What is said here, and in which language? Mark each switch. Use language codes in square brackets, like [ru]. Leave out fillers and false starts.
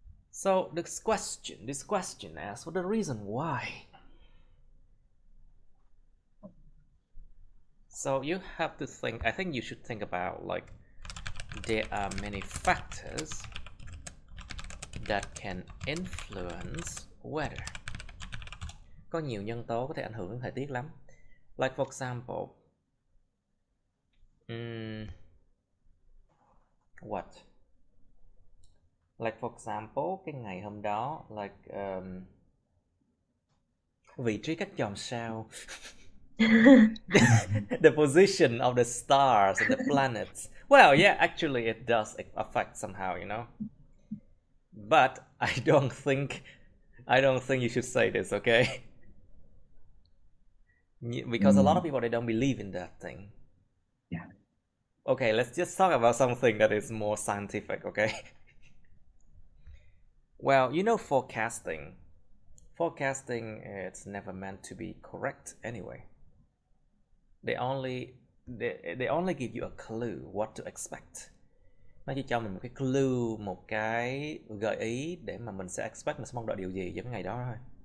[en] So this question asks for the reason why. So you have to think, I think you should think about, like, there are many factors that can influence weather. [vi] Có nhiều nhân tố có thể ảnh hưởng đến thời tiết lắm. [en] Like, for example, what? Like, for example, [vi] cái ngày hôm đó, [en] like, [vi] vị trí các chòm sao. [en] The position of the stars and the planets. Well, yeah, actually it does affect somehow, you know. But I don't think you should say this, okay? Because a lot of people, they don't believe in that thing. Yeah. Okay, let's just talk about something that is more scientific, okay? Well, you know forecasting. Forecasting, it's never meant to be correct anyway. They only give you a clue what to expect. [vi] Nó chỉ cho mình một cái clue, một cái gợi ý để mà mình sẽ expect, mình sẽ mong đợi điều gì giống ngày đó thôi.